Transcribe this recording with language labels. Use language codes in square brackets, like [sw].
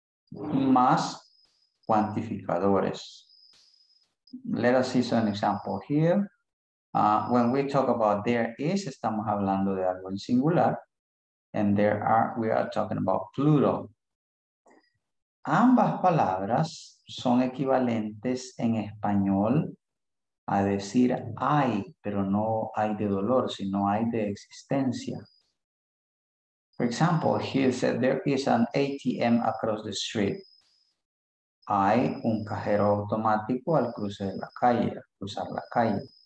[es] Más cuantificadores. [en] Let us see an example here. When we talk about there is, [es] estamos hablando de algo en singular. [en] And there are, we are talking about plural. [es] Ambas palabras son equivalentes en español a decir hay, pero no hay de dolor, sino hay de existencia. [en] For example, he said there is an ATM across the street. [es] Hay un cajero automático al cruce de la calle, al cruzar la calle.